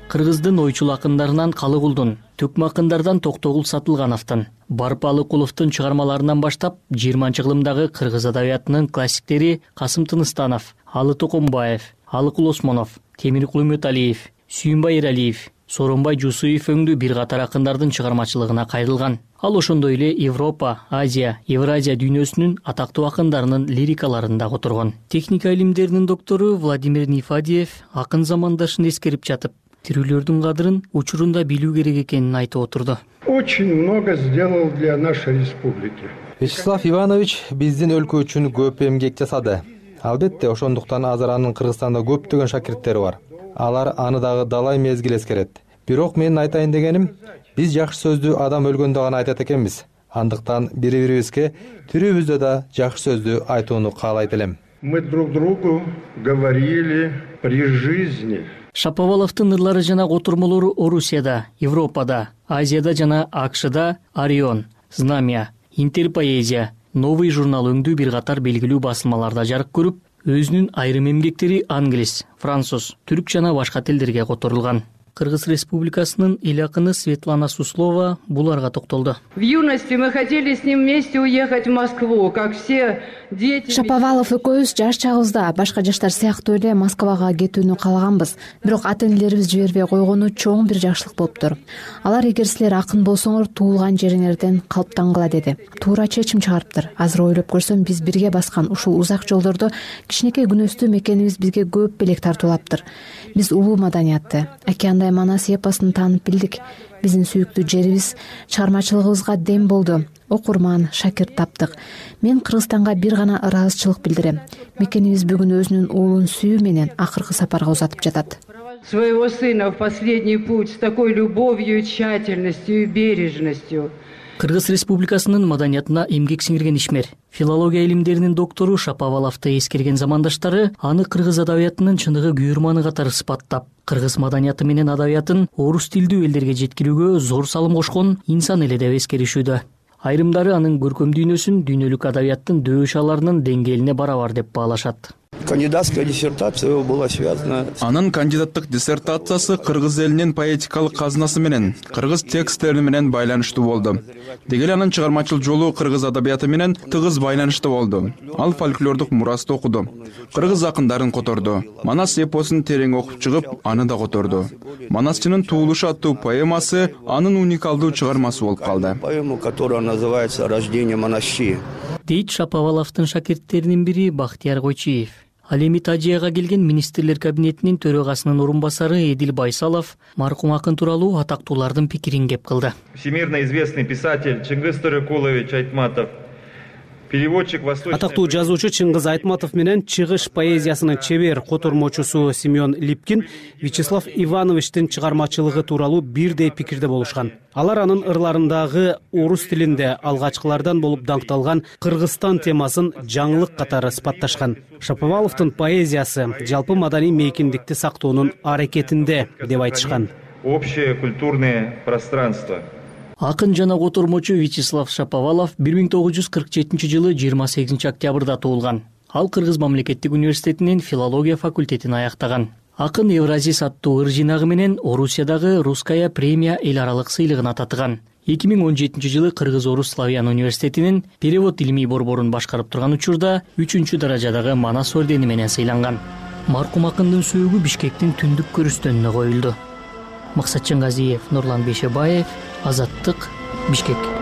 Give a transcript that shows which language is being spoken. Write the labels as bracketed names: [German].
[Kyrgyz] Кыргыздын ойчул акындарынан Калыгулдун, түкм акындардан Токтогул Сатылгановтун, Барпалыкуловтун чыгармаларынан баштап 20-чы кылымдагы кыргыз адабиятынын классиктери Касым Тыныстанов, Алы Токомбаев, Алыкул Осмонов, Темиркул Үмөтәлиев, Сүйүнбай Эралиев, Соромбай Жусуев өңдүү бир катар акындардын чыгармачылыгына кайрылган. Ал ошондой эле Европа, Азия, Евразия дүйнөсүнүн атактуу акындарынын лирикаларында которгон. Техника илимдеринин доктору Владимир Нифадиев акын замандашын эскерип жатып, тирүүлөрдүн кадырын учурунда билүү керек экенин айтып отурду. [Russian] Очень много сделал для нашей республики. [Kyrgyz] Вячеслав Иванович биздин өлкө үчүн көп эмгек жасады. Албетте, ошондуктан азыр анын Кыргызстанда көптөгөн шакирттери бар. Алар аны дагы далай мезгил эскерет. Бирок менин айтайын дегеним, биз жакшы сөздү адам өлгөндө гана айтат экенбиз. Андыктан бири бирибизге түрүбүздө да жакшы сөздү айтууну каалайт элем. [Russian] Мы друг другу говорили при жизни. [Kyrgyz] Шаповаловтун ырлары жана котурмолору Орусияда, Европада, Азияда жана АКШда Орион, Знамя, Интерпоэзия, Новый журнал өңдүү бир катар белгилүү басылмаларда жарык көрүп, өзүнүн айрым эмгектери англис, француз, түрк жана башка тилдерге которулган. Кыргыз Республикасынын эл акыны Светлана Суслова буларга токтолду. [Russian] В юности мы хотели с ним вместе уехать в Москву, как все дети. [Kyrgyz] Шаповалов экөөбүз жаш чагыбызда башка жаштар сыяктуу эле Москвага кетүүнү каалаганбыз. Бирок ата-энелерибиз жибербей койгону чоң бир жакшылык болуптур. Алар эгер силер акын болсоңор туулган жериңерден калптангыла деди. Туура чечим чыгарыптыр. Азыр ойлоп көрсөм биз бирге баскан ушул узак жолдордо кичинекей күнөстүү мекенибиз бизге көп белек тартуулаптыр. Биз улуу маданиятты кандай Манас эпосун таанып билдик. Биздин сүйүктүү жерибиз, чыгармачылыгыбызга дем болду. Окурман, шакирт таптык. Мен Кыргызстанга бир гана ыраазычылык билдирем. Мекенибиз бүгүн өзүнүн уулун сүйүү менен акыркы сапарга узатып жатат. [Russian] Своего сына в последний путь с такой любовью, тщательностью и бережностью. [Kyrgyz] Кыргыз Республикасынын маданиятына эмгек сиңирген ишмер, филология илимдеринин доктору Шаповаловту эскерген замандаштары аны кыргыз адабиятынын чыныгы күйүрманы катары сыпаттап, кыргыз маданияты менен адабиятын орус тилдүү элдерге жеткирүүгө зор салым кошкон инсан эле деп эскеришүүдө. Айрымдары анын көркөм дүйнөсүн дүйнөлүк адабияттын дөөшаларынын деңгээлине барабар деп баалашат. [Russian] Кандидатская диссертация его была связана. [Kyrgyz] Анын кандидаттык диссертациясы кыргыз элинин поэтикалык казынасы менен, кыргыз тексттери менен байланыштуу болду. Деги эле анын чыгармачыл жолу кыргыз адабияты менен тыгыз байланыштуу болду. Ал фольклордук мурасты окуду. Кыргыз акындарын которду. Манас эпосун терең окуп чыгып, аны да которду. Манасчынын туулушу аттуу поэмасы анын уникалдуу чыгармасы болуп калды. [Russian] Поэма, которая называется Рождение Манасчи. [Kyrgyz] Дейт Шаповаловтун шакирттеринин бири Бахтияр Койчиев. Ал эми Тажияга келген министрлер кабинетинин төрагасынын орун басары Эдил Байсалов маркум акын тууралуу атактуулардын пикирин кеп кылды. [Russian] Всемирно известный писатель Чыңгыз Төрөкулович Айтматов. [Kyrgyz] Атактуу жазуучу Чыңгыз Айтматов менен чыгыш поэзиясынын чебер котормочусу Семён Липкин Вячеслав Ивановичтин чыгармачылыгы тууралуу бирдей пикирде болушкан. Алар анын ырларындагы орус тилинде алгачкылардан болуп даңкталган Кыргызстан темасын жаңылык катары сыпатташкан. Шаповаловтун поэзиясы жалпы маданий мейкиндикти сактоонун аракетинде деп айтышкан. [Russian] Общее культурное пространство. [Kyrgyz] Акын жана котормочу Вячеслав Шаповалов 1947 жылы 28 октябрда туулган. Ал Кыргыз мамлекеттик университетинин филология факультетин аяктаган. Акын Евразис аттуу ыр жыйнагы менен Орусиядагы Русская премия эл аралык сыйлыгын ататган. 2017 жылы Кыргыз Орус Славян университетинин перевод илимий борборун башкарып турган учурда 3-чү даражадагы Манас ордени менен сыйланган. Маркум акындын сөөгү Бишкектин түндүк көрүстөнүнө коюлду. Максатчан Газиев, Нурлан Бейшебаев, Азаттык, Бишкек.